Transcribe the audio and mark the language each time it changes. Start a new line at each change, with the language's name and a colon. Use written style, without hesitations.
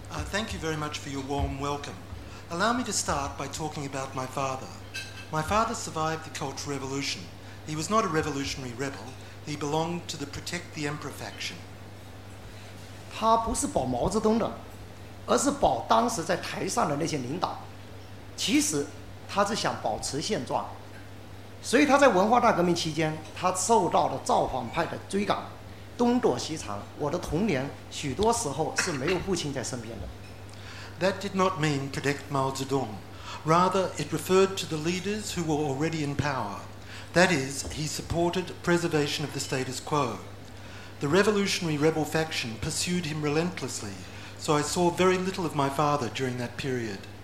English: Thank you very much for your warm welcome. Allow me to start by talking about my father. My father survived the Cultural Revolution. He was not a revolutionary rebel. He belonged to the Protect the Emperor faction.
Chinese: 他不是保毛泽东的。而是保当时在台上的那些领导，其实他是想保持现状，所以他在文化大革命期间，他受到了造反派的追赶，东躲西藏。我的童年许多时候是没有父亲在身边的。
English: That did not mean protect Mao Zedong. Rather, it referred to the leaders who were already in power. That is, he supported preservation of the status quo. The revolutionary rebel faction pursued him relentlessly. So I saw very little of my father during that period.